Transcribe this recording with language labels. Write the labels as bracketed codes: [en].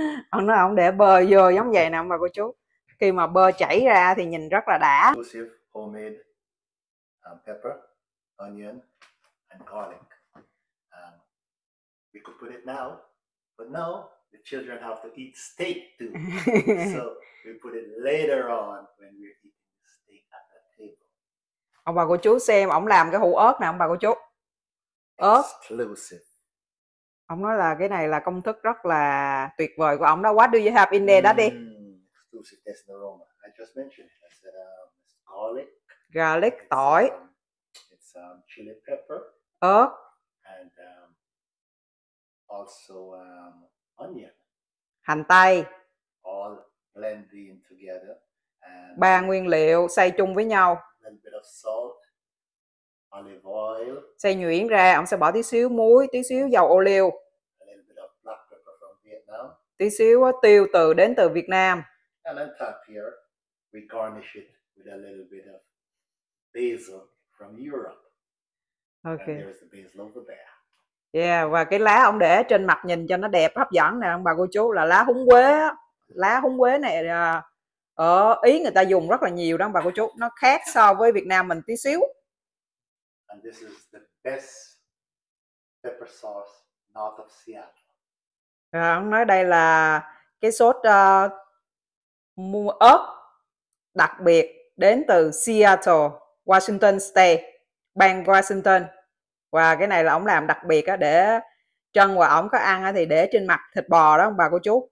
[vi] Ông nói ông để bơ vô giống vậy nè ông bà cô chú, khi mà bơ chảy ra thì nhìn rất là đã. [en] Homemade pepper, onion and garlic. We could put it now, but no, the children have to eat steak too. So we put it later on when we're eating steak at the table. [vi] Ông bà cô chú xem ổng làm cái hũ ớt nè ông bà cô chú. Ớt. [en] Exclusive. [vi] Ông nói là cái này là công thức rất là tuyệt vời của ông đó. [en] What do you have in there, daddy? Exclusive taste and aroma. I just mentioned it. I said it's garlic. Garlic, it's, [vi] tỏi. [en] It's chili pepper. [vi] Ớt. [en] And also onion. [vi] Hành tây. [en] All blending together. And [vi] ba nguyên liệu xay chung với nhau. [en] A little bit of salt. Olive oil. [vi] Xay nhuyễn ra, ông sẽ bỏ tí xíu muối, tí xíu dầu ô liu. [en] A little bit of black pepper from Vietnam. [vi] Tí xíu tiêu từ đến từ Việt Nam. [en] And on top here, we garnish it with a little bit of basil from Europe. Okay. And there's the basil over there. [vi] Yeah, và cái lá ông để trên mặt nhìn cho nó đẹp hấp dẫn nè ông bà cô chú là lá húng quế. Lá húng quế này ở Ý người ta dùng rất là nhiều đó ông bà cô chú. Nó khác so với Việt Nam mình tí xíu. And this is the best pepper sauce north of Seattle. Rồi ông nói đây là cái sốt mua ớt đặc biệt đến từ Seattle, Washington State, bang Washington. Và cái này là ông làm đặc biệt á, để chân và ông có ăn á, thì để trên mặt thịt bò đó ông bà cô chú.